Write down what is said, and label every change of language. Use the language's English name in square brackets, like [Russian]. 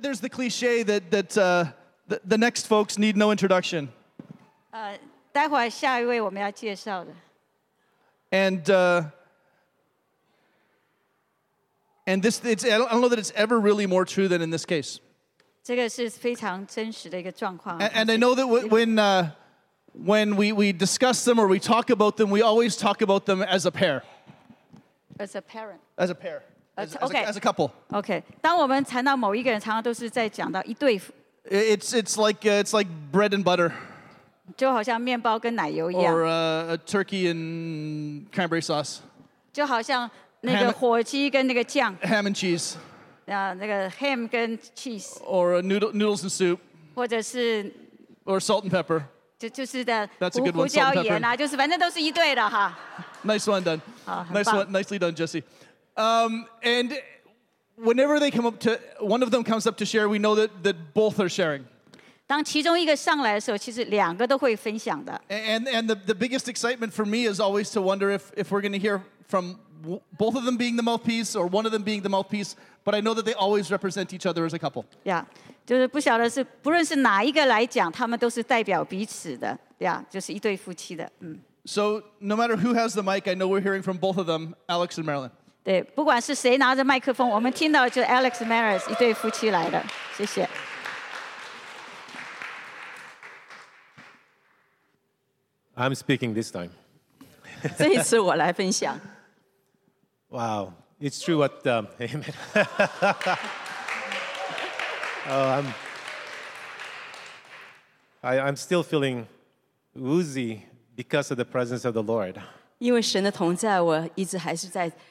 [English] Cliche that the next folks need no introduction. [Chinese] 待会下一位我们要介绍的. [English] And this, it's, I don't know that it's ever really more true than in this case. [Chinese] 这个是非常真实的一个状况. [English] And I know that when we discuss them or we talk about them, we always talk about them as a pair. As a parent. As a pair. As a couple. Okay. It's like bread and butter. Or a turkey and cranberry sauce. Ham and cheese. Ham and cheese. Or noodles and soup. Or salt and pepper. That's a good one, salt and pepper. Nice one, done. Nice one, nicely done, Jesse. And whenever they come up to, one of them comes up to share, we know that both are sharing. And the biggest excitement for me is always to wonder if we're going to hear from both of them being the mouthpiece or one of them being the mouthpiece, but I know that they always represent each other as a couple. [Chinese] Yeah, 就是不晓得是不论是哪一个来讲，他们都是代表彼此的，就是一对夫妻的。 [English] So no matter who has the mic, I know we're hearing from both of them, Alex and Marilyn. [Chinese] 对，不管是谁拿着麦克风，我们听到就Alex Maris 一对夫妻来的，谢谢。 [English] I'm speaking this time. [Chinese] 这一次我来分享。Wow, [English] it's true what Amen. I'm still feeling woozy because of the presence of the Lord. [Chinese] 因为神的同在，我一直还是在。